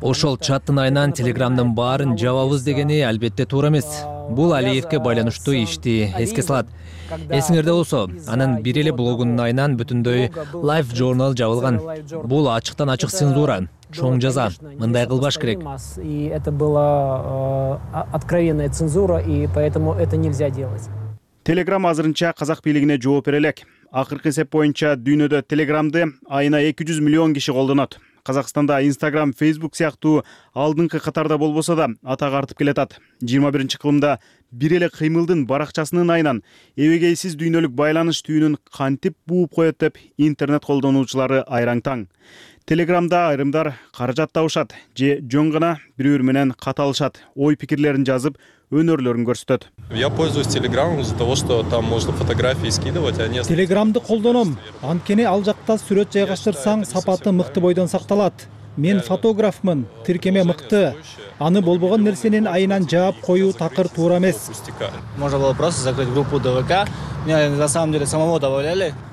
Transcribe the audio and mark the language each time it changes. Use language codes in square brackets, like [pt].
[ky] Ошол чаттын айынан Telegram'дын баарын жабабыз дегени албетте туура эмес. Бул Алиевке байланыштуу ишти эске салат. Эсиңерде болсо, анын бир эле блогунун айынан бүтүндөй Life Journal жабылган. Бул ачыктан ачык цензура. Чоң жаза, мындай кылбаш керек. [ru] И это была откровенная цензура, и поэтому это нельзя делать. [ky] Telegram азырынча казак бийлигине жооп бере элек. Акыркы эсеп боюнча дүйнөдө Telegram'ды айына 200 миллион киши колдонот. Казакстанда Instagram, Facebook сыяктуу алдыңкы катарда болбосо да, атагы артып келатат. 21-чи кылымда бир эле кыймылдын баракчасынын айынан эбегейсиз дүйнөлүк байланыш түйүнүн кантип бууп коет деп интернет колдонуучулары айраң таң. Телеграмда айрымдар каражат табышат же жөн гана бири бири менен каталышат, ой пикирлерин жазып өнөрлөрүн көрсөтөт. [ru] Я пользуюсь Телеграмом из-за того, что там можно фотографии скидывать, они. [ky] Телеграмды колдоном. Анткени ал жакта сүрөт жайгаштырсаң, сапаты мыкты бойдон сакталат. Мен фотографмын, тиркеме мыкты. Аны болбогон нерсенин айынан жаап коюу такыр туура эмес. [ru] Можно было просто закрыть группу ДВК. Меня на самом деле самого добавляли.